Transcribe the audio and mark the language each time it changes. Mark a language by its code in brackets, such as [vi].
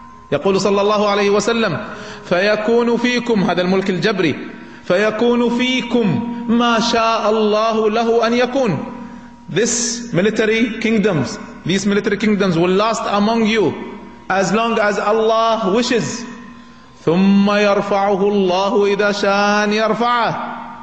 [ar] يقول صلى الله عليه وسلم فيكون فيكم, هذا الملك الجبري, فيكون فيكم ما شاء الله له أن يكون. [en] This military kingdoms, these military kingdoms will last among you as long as Allah wishes. [ar] ثم يرفعه الله إذا شاء أن يرفعه.